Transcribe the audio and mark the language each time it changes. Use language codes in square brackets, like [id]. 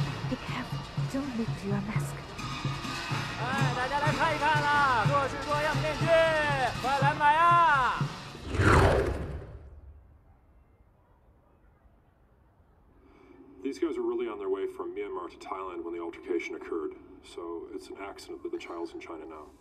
[en] Be careful, don't lift your mask. [zh] 哎，大家来看一看啦，各式各样的面具，快来买啊！ [en] These guys were really on their way from Myanmar to Thailand when the altercation occurred. So it's an accident that the child's in China now.